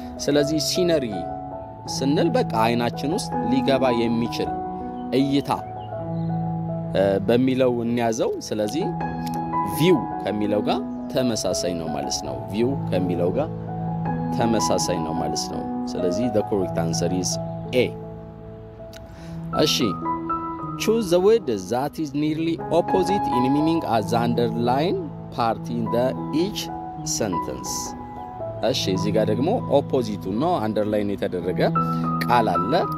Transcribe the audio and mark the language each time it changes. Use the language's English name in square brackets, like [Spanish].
[Amharic] ስለዚህ ሲነሪ ስንል በቃ አይናችን ውስጥ ሊገባ የሚችል እይታ በሚለው እናያዘው. ስለዚህ view ከሚለው ጋር ተመሳሳይ ነው ማለት ነው. view ከሚለው ጋር ተመሳሳይ ነው ማለት ነው። ስለዚህ [English] the correct answer is A. [Amharic] እሺ [English] choose the word that is nearly opposite in meaning as underline part in the each sentence. [Amharic] እሺ እዚህ ጋር ደግሞ opposite ነው underline የተደረገ ቃል አለ.